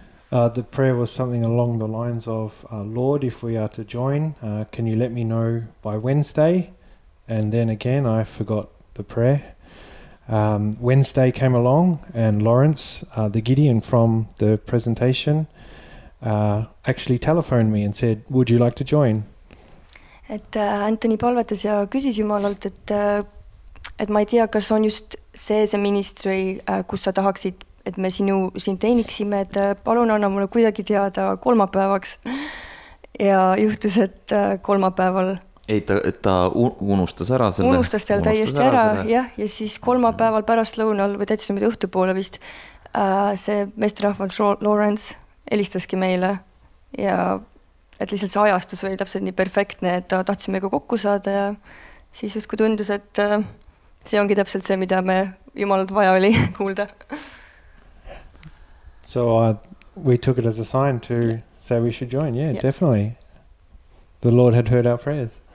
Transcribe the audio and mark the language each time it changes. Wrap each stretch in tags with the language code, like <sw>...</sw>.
<en>The prayer was something along the lines of, Lord, if we are to join, can you let me know by Wednesday? And then again, I forgot the prayer. Wednesday came along and Lawrence, the Gideon from the presentation, actually telephoned me and said, would you like to join?</en> <et>Et Anthony palvetas ja küsis Jumalalt, et ma ei tea, kas on just see ministry, kus sa tahaksid, et me siin teeniksime, et palun anna mulle kuidagi teada kolmapäevaks. Ja juhtus, et kolmapäeval. Ei, ta unustas ära selle. Unustas teal täiesti ära, jah. Ja siis kolmapäeval pärast lõunal või täitsime õhtupoole vist, see meesterahval Lawrence elistaski meile ja et lihtsalt see ajastus oli täpselt nii perfektne, et ta tahtsime ka kokku saada ja siis just kui tundus, et see ongi täpselt see, mida me Jumalalt vaja oli kuulda.</et> <en>So we took it as a sign to say we should join. Yeah, definitely. The Lord had heard our prayers.</en>